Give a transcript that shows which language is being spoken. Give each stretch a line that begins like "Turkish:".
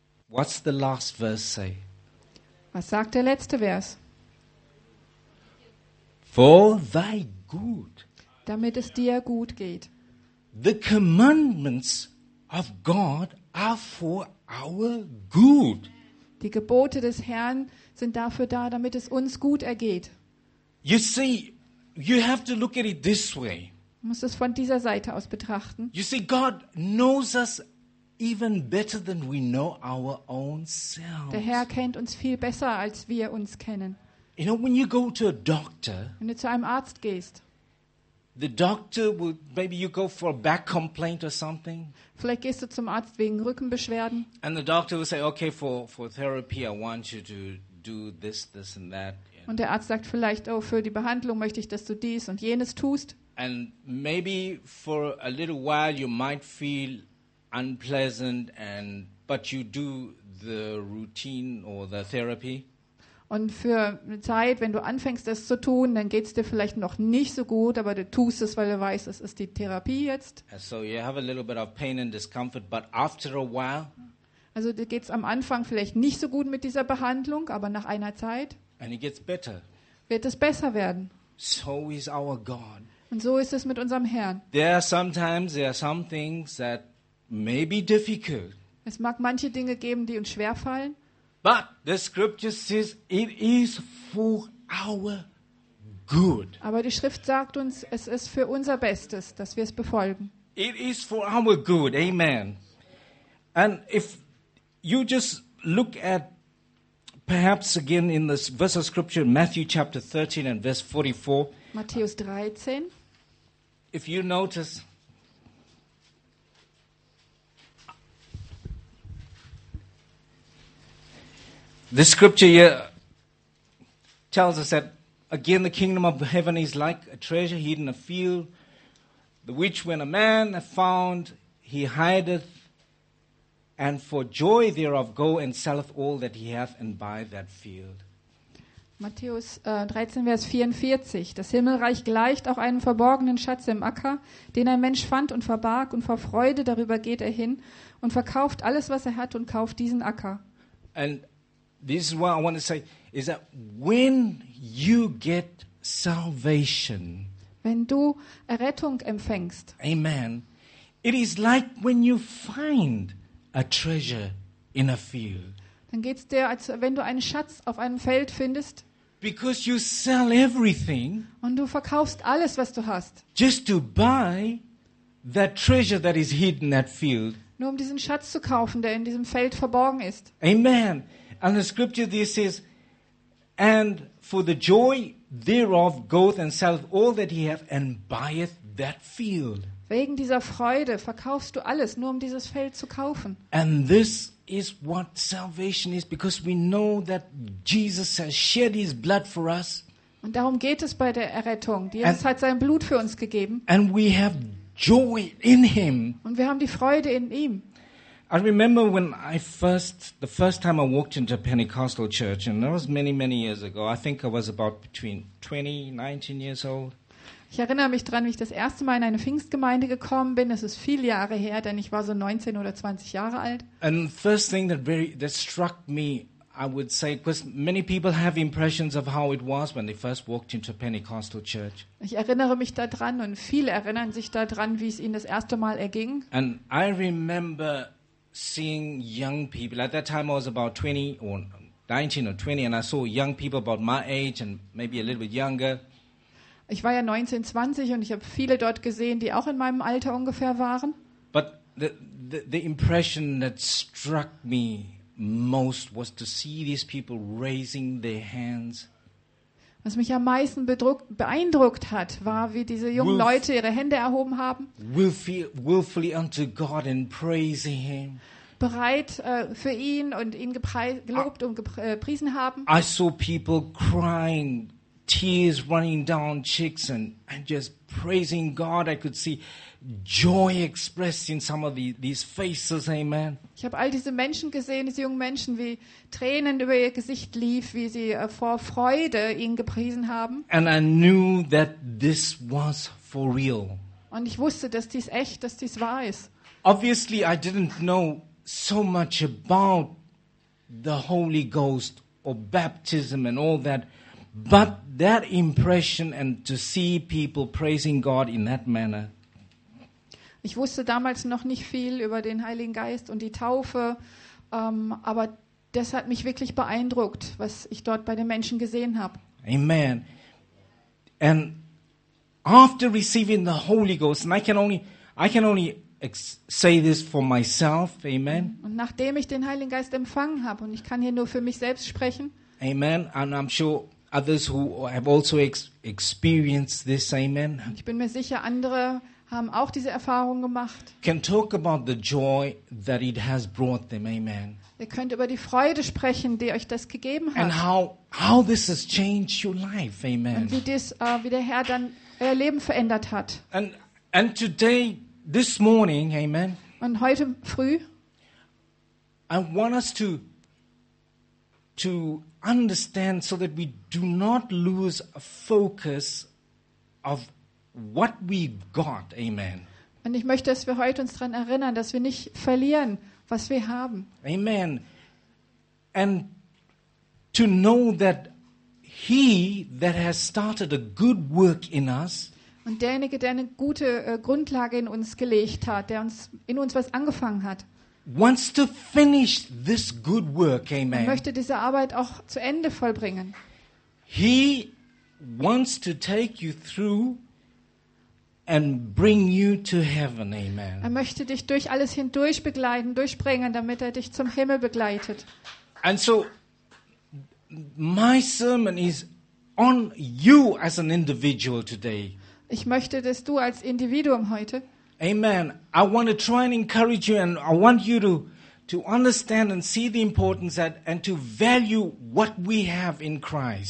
English: What's the last verse say?
German: Was sagt der letzte Vers?
English: For thy good.
German: Damit es dir gut geht.
English: The commandments of God are for our good.
German: Die Gebote des Herrn sind dafür da, damit es uns gut ergeht.
English: You see, you have to look at it this way.
German: Du musst es von dieser Seite aus betrachten.
English: You see, God knows us even better than we know our own selves.
German: Der Herr kennt uns viel besser, als wir uns kennen.
English: You know, when you go to a doctor,
German: wenn du zu einem Arzt gehst,
English: the doctor will, maybe you go for a back complaint or something.
German: Vielleicht gehst du zum Arzt wegen Rückenbeschwerden.
English: And the doctor will say, okay, for therapy, I want you to do this, this and that.
German: Und der Arzt sagt vielleicht, oh, für die Behandlung möchte ich, dass du dies und jenes tust.
English: And maybe for a little while you might feel unpleasant, and but you do the routine or the therapy.
German: Und für eine Zeit, wenn du anfängst, das zu tun, dann geht es dir vielleicht noch nicht so gut, aber du tust es, weil du weißt, es ist die Therapie jetzt.
English: So you have a little bit of pain and discomfort, but after a while.
German: Also dir geht es am Anfang vielleicht nicht so gut mit dieser Behandlung, aber nach einer Zeit.
English: And it gets better.
German: Wird es besser werden.
English: So is our God.
German: Und so ist es mit unserem Herrn.
English: There are sometimes there are some things that may be difficult.
German: Es mag manche Dinge geben, die uns schwer fallen.
English: But the scripture says it is for our good.
German: Aber die Schrift sagt uns, es ist für unser Bestes, dass wir es befolgen.
English: It is for our good. Amen. And if you just look at perhaps again in this verse of scripture, Matthew chapter 13 and verse 44.
German: Matthäus 13.
English: If you notice, the scripture here tells us that again the kingdom of heaven is like a treasure hidden in a field, the which when a man hath found, he hideth. And for joy thereof go and selleth all that he hath and buy that field.
German: Matthäus 13, Vers 44. Das Himmelreich gleicht auch einem verborgenen Schatz im Acker, den ein Mensch fand und verbarg, und vor Freude darüber geht er hin und verkauft alles, was er hat, und kauft diesen Acker.
English: And this is what I want to say, is that when you get salvation,
German: wenn du Errettung empfängst,
English: amen, it is like when you find a treasure in a field.
German: Dann geht's dir, als wenn du einen Schatz auf einem Feld findest.
English: Because you sell everything.
German: Und du verkaufst alles, was du hast.
English: Just to buy that treasure that is hidden in that field.
German: Nur um diesen Schatz zu kaufen, der in diesem Feld verborgen ist.
English: Amen. And the scripture this says, and for the joy thereof goeth and selleth all that he hath and buyeth that field.
German: Wegen dieser Freude verkaufst du alles, nur um dieses Feld zu kaufen.
English: And this is what salvation is, because we know that Jesus has shed his blood for us.
German: Und darum geht es bei der Errettung. Jesus hat sein Blut für uns gegeben.
English: And we have joy in him.
German: Und wir haben die Freude in ihm.
English: I remember when the first time I walked into a Pentecostal church, and that was many, many years ago. I think I was about between 20, 19 years old.
German: Ich erinnere mich dran, wie ich das erste Mal in eine Pfingstgemeinde gekommen bin. Es ist viele Jahre her, denn ich war so 19 oder 20 Jahre alt.
English: And first thing that struck me, I would say, because many people have impressions of how it was when they first walked into a Pentecostal church.
German: Ich erinnere mich daran und viele erinnern sich daran, wie es ihnen das erste Mal erging.
English: And I remember seeing young people. At that time I was about 20 or 19 or 20, and I saw young people about my age and maybe a little bit younger.
German: Ich war ja 19, 20 und ich habe viele dort gesehen, die auch in meinem Alter ungefähr waren.
English: But the impression that struck me most was to see these people raising their hands.
German: Was mich am meisten beeindruckt hat, war, wie diese jungen Leute ihre Hände erhoben haben.
English: Willfully unto God and praising him.
German: Bereit für ihn und ihn gelobt und gepriesen haben.
English: I saw people crying. Tears running down cheeks and just praising God. I could see joy expressed in some of these faces. Amen.
German: Ich habe all diese Menschen gesehen, diese jungen Menschen, wie Tränen über ihr Gesicht lief, wie sie vor Freude ihn gepriesen haben.
English: And I knew that this was for real.
German: Und ich wusste, dass dies echt, dass dies wahr ist.
English: Obviously, I didn't know so much about the Holy Ghost or baptism and all that. But that impression and to see people praising God in that manner.
German: Ich wusste damals noch nicht viel über den Heiligen Geist und die Taufe, aber das hat mich wirklich beeindruckt, was ich dort bei den Menschen gesehen habe.
English: Amen. And after receiving the Holy Ghost, and I can only say this for myself, amen.
German: Und nachdem ich den Heiligen Geist empfangen habe, und ich kann hier nur für mich selbst sprechen.
English: Amen. And I'm sure others who have also experienced this, amen.
German: Ich bin mir sicher, andere haben auch diese Erfahrung gemacht.
English: Can talk about the joy that it has brought them, amen.
German: Ihr könnt über die Freude sprechen, die euch das gegeben hat.
English: And how this has changed your life, amen.
German: Und wie das, wie der Herr dann euer Leben verändert hat.
English: And today, this morning, amen.
German: Und heute früh.
English: I want us to understand so that we do not lose a focus of what we got, amen.
German: Und ich möchte, dass wir heute uns daran erinnern, dass wir nicht verlieren, was wir haben.
English: Amen. And to know that he that has started a good work in us.
German: Und derjenige, der eine gute Grundlage in uns gelegt hat, der uns in uns was angefangen hat.
English: Wants to finish this good work, amen.
German: Er möchte diese Arbeit auch zu Ende vollbringen.
English: He wants to take you through and bring you to heaven, amen.
German: Er möchte dich durch alles hindurch begleiten, durchbringen, damit er dich zum Himmel begleitet.
English: And so my sermon is on you as an individual today.
German: Ich möchte, dass du als Individuum heute.
English: Amen. I want to try and encourage you and I want you to understand and see the importance that and to value what we have in Christ.